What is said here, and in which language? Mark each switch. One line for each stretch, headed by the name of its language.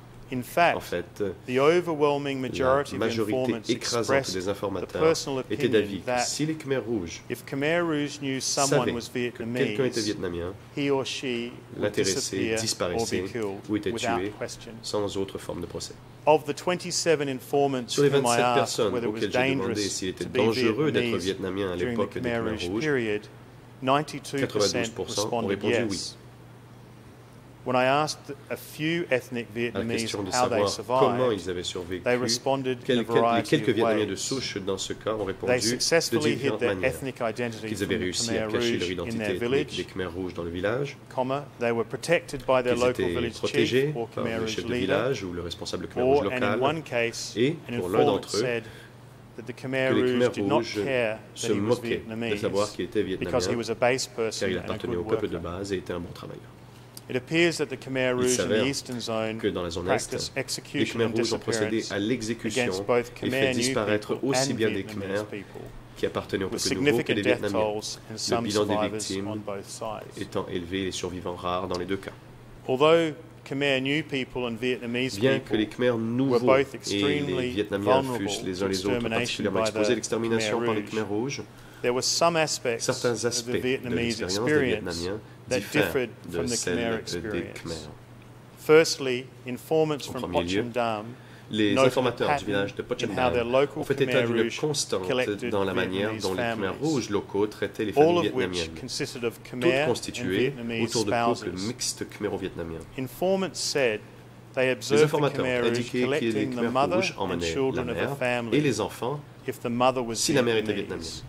French: En fait, la majorité écrasante des informateurs était d'avis que si les Khmer Rouges savaient que quelqu'un était vietnamien, l'intéressé disparaissait ou était tué sans autre forme de procès. Sur les 27 personnes auxquelles j'ai demandé s'il était dangereux d'être vietnamien à l'époque des Khmer Rouges, 92% ont répondu oui.
English: When I asked a few ethnic Vietnamese how they survived,
French: à la question de savoir comment ils avaient survécu,
English: they responded in a variety of ways.
French: Les quelques Vietnamiens de souche dans ce cas ont répondu de différentes manières.
English: They successfully hid their
French: avaient réussi à cacher leur identité ethnique des Khmer Rouges dans le village,
English: they were protected by their local village chief
French: par le chef de village ou le responsable Khmer Rouge local,
English: and in one case,
French: et pour l'un d'entre eux,
English: that the Khmer Rouge did not care that he was Vietnamese, because he was a base person
French: car il appartenait au peuple de base et était un bon travailleur.
English: It appears that the Khmer Rouge in the eastern zone
French: que dans la zone est, les Khmer Rouges ont procédé à l'exécution et fait disparaître aussi bien des Khmer qui appartenaient au peuple nouveau que des Vietnamiens, le bilan des victimes étant élevé et les survivants rares dans les deux cas.
English: Although Khmer new people and Vietnamese
French: bien que les Khmer nouveaux et les Vietnamiens fussent les uns les autres particulièrement exposés à l'extermination par les Khmer Rouges,
English: there were some aspects of the Vietnamese experience that differed from the Khmer experience. Firstly, informants from Pocham Dam
French: les informateurs du village de Pocham Dam ont fait état d'une constante dans la manière dont les Khmer Rouges locaux traitaient les familles vietnamiennes, toutes constituées autour de couples mixtes khmero-vietnamiens.
English: Informants said
French: Les informateurs ont indiqué que les Khmers rouges emmenaient la mère et les enfants si la mère était vietnamienne.